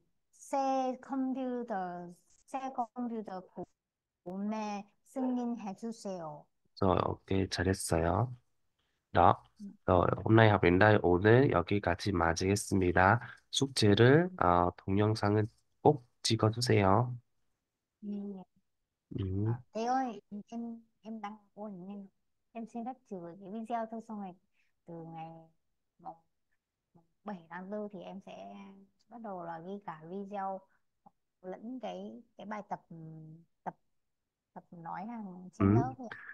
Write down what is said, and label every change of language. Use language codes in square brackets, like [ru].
[ko] 새 컴퓨터 구매 승인해 주세요. 어, 오케이 잘했어요. đó. [vi] Rồi, hôm nay học đến đây, [ko] 오늘 여기까지 마치겠습니다. 숙제를 동영상을 꼭 찍어주세요. [vi] À, thế ơi, em đang ổn nên em xin phép chịu cái video thôi, xong rồi từ ngày 7 tháng 4 thì em sẽ bắt đầu là ghi cả video lẫn cái bài tập tập tập nói hàng trên lớp vậy.